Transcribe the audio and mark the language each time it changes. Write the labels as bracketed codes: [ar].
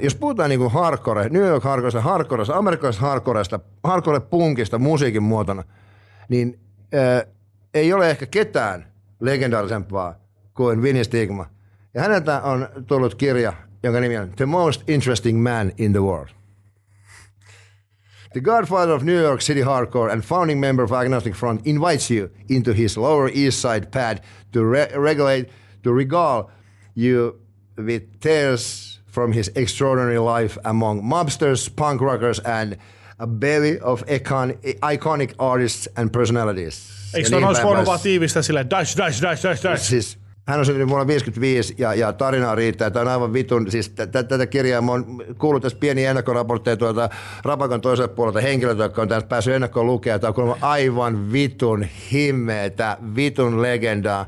[fi] Jos puhutaan niin kuin hardcore, New York Hardcoresta, amerikkalaisesta hardcoresta, hardcore-punkista musiikin muotona, niin ei ole ehkä ketään legendaarisempaa kuin Vinny Stigman. Ja häneltä on tullut kirja, jonka nimi on The Most Interesting Man in the World. [en] The Godfather of New York City Hardcore and founding member of Agnostic Front invites you into his Lower East Side pad to regale you with tales from his extraordinary life among mobsters, punk rockers and a belly of iconic artists and personalities. [fi] Eikö se olisi voinut vaan tiivistä silleen, dash. Siis, hän on syntynyt vuonna 55 ja tarinaa riittää. Tämä on aivan vitun, siis tätä kirjaa mä oon kuullut tässä pieniä ennakkoraportteja tuolta Rapakon toiselta puolelta henkilöltä, jotka on tässä päässyt ennakkoon lukea. Tämä on kuulemma aivan vitun himmeetä, vitun legendaa.